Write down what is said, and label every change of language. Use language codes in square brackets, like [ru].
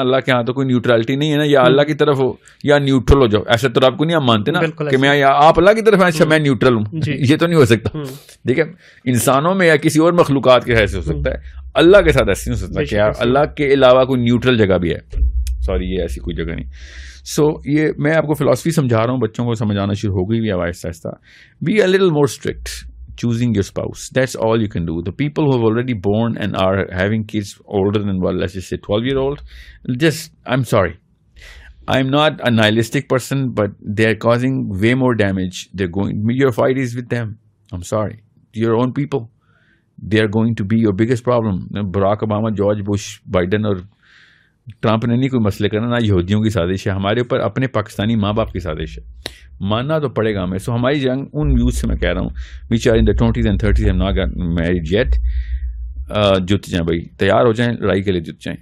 [ur] اللہ کے ہاں تو کوئی نیوٹرلٹی نہیں ہے نا, یا اللہ کی طرف ہو یا نیوٹرل ہو جاؤ, ایسا تو آپ کو نہیں, آپ مانتے نا کہ میں یا آپ اللہ کی طرف ہیں, اچھا میں نیوٹرل ہوں, یہ تو نہیں ہو سکتا. دیکھیں انسانوں میں یا کسی اور مخلوقات کے ایسے ہو سکتا ہے, اللہ کے ساتھ ایسے نہیں ہو سکتا کہ اللہ کے علاوہ کوئی نیوٹرل جگہ بھی ہے. سوری, یہ ایسی کوئی جگہ نہیں. سو یہ میں آپ کو فلاسفی سمجھا رہا ہوں, بچوں کو سمجھانا شروع ہو گئی بھی ہے آہستہ آہستہ. [en] Be a little more strict choosing your spouse, that's all you can do. The people who have already born and are having kids older than, well, let's just say 12-year-old, just, I'm sorry, I'm not a nihilistic person, but they're causing way more damage. They're going, your fight is with them. I'm sorry, your own people, they are going to be your biggest problem. [ur] Barack Obama, George Bush, Biden or Trump نے نہیں کوئی مسئلے کرنا, نہ یہودیوں کی سازش ہے, ہمارے اوپر اپنے پاکستانی ماں باپ کی سازش ہے, ماننا تو پڑے گا ہمیں. سو ہماری جنگ ان ویوز سے میں کہہ رہا ہوں, [en] which are in the 20s and 30s, [ur] ہم [en] not got married yet, [ur] جت جائیں بھائی, تیار ہو جائیں لڑائی کے لیے, جت جائیں.